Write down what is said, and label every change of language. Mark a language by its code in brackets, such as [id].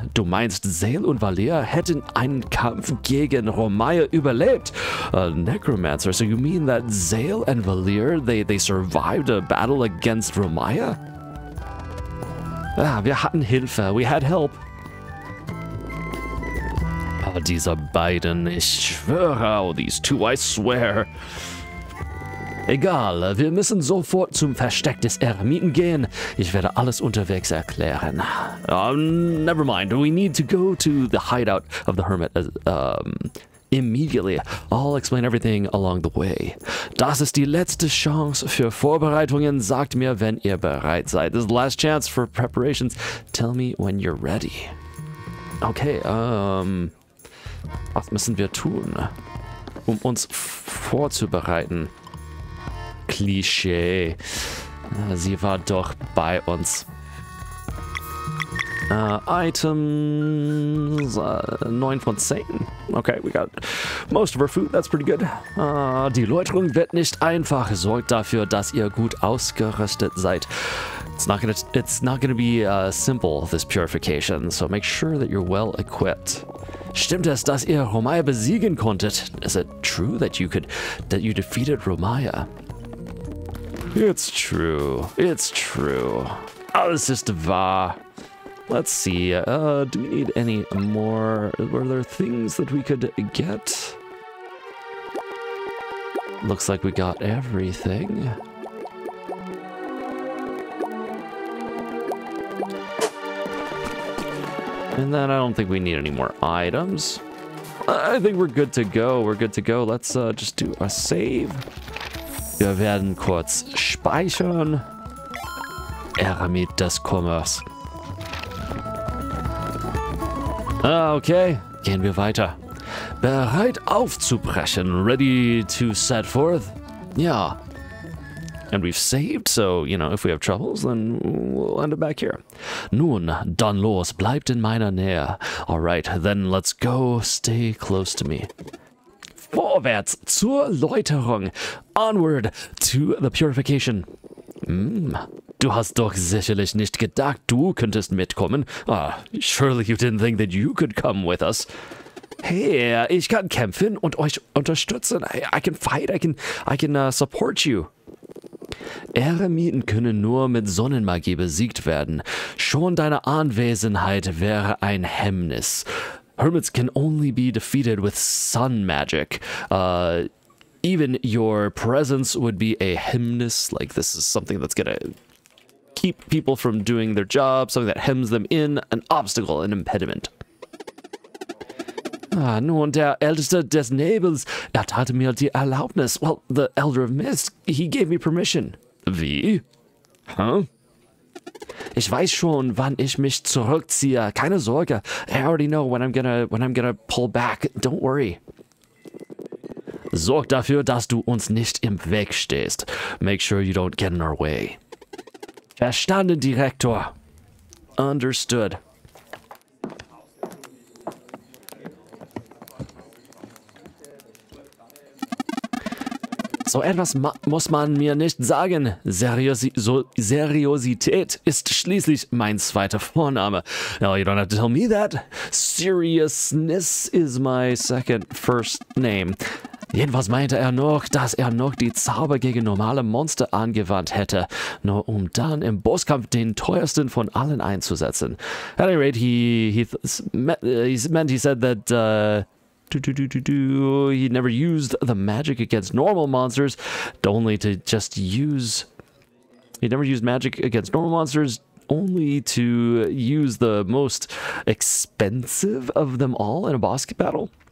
[de] Du meinst, Zael und Valea hätten einen Kampf gegen Romaya überlebt? [en] A necromancer? So you mean that Zael and Valea, they survived a battle against Romaya? [de] Ah, wir hatten Hilfe. [en] We had help. [de] Oh, dieser beiden. Ich schwöre, [en] oh, these two, I swear. [de] Egal, wir müssen sofort zum Versteck des Eremiten gehen. Ich werde alles unterwegs erklären. [en] Never mind. We need to go to the hideout of the hermit immediately. I'll explain everything along the way. [de] Das ist die letzte Chance für Vorbereitungen. Sagt mir, wenn ihr bereit seid. [en] This is the last chance for preparations. Tell me when you're ready. [de] Okay, was müssen wir tun, um uns vorzubereiten? Klischee. Sie war doch bei uns. Items. 9 von 10. [en] Okay, we got most of our food. That's pretty good. [de] Die Läuterung wird nicht einfach. Sorgt dafür, dass ihr gut ausgerüstet seid. [en] It's not gonna be simple, this purification. So make sure that you're well equipped. [de] Stimmt es, dass ihr Romaya besiegen konntet? [en] Is it true that you defeated Romaya? It's true. It's true. [de] Alles ist wahr. [en] Let's see. Do we need any more? Were there things that we could get? Looks like we got everything. And then I don't think we need any more items. I think we're good to go. We're good to go. Let's just do a save. [de] Wir werden kurz speichern. Eremit des Kummers. Okay, gehen wir weiter. Bereit aufzubrechen. [en] Ready to set forth? [de] Ja. [en] And we've saved, so, you know, if we have troubles, then we'll end it back here. [de] Nun, dann los, bleibt in meiner Nähe. [en] Alright, then let's go. Stay close to me. [de] Vorwärts zur Läuterung. [en] Onward to the purification. [de] Du hast doch sicherlich nicht gedacht, du könntest mitkommen. [en] Surely you didn't think that you could come with us. [de] Hey, ich kann kämpfen und euch unterstützen. [en] I can fight, I can support you. [de] Eremiten können nur mit Sonnenmagie besiegt werden. Schon deine Anwesenheit wäre ein Hemmnis. [en] Hermits can only be defeated with sun magic. Even your presence would be a hemmnis. Like, this is something that's gonna keep people from doing their job, something that hems them in, an obstacle, an impediment. [de] Ah, nun, der Älteste des Nebels, tat mir die Erlaubnis. [en] Well, the Elder of Mist, he gave me permission. [de] Wie? Huh? Ich weiß schon, wann ich mich zurückziehe. Keine Sorge. [en] I already know when I'm gonna pull back. Don't worry. [de] Sorg dafür, dass du uns nicht im Weg stehst. [en] Make sure you don't get in our way. [de] Verstanden, Direktor. [en] Understood. [de] So etwas muss man mir nicht sagen. Seriosität ist schließlich mein zweiter Vorname. [en] No, you don't have to tell me that. Seriousness is my second first name. [de] Jedenfalls meinte er noch, dass er noch die Zauber gegen normale Monster angewandt hätte, nur um dann im Bosskampf den teuersten von allen einzusetzen. [en] At any rate, he said that he never used the magic against normal monsters, only to use the most expensive of them all in a boss battle.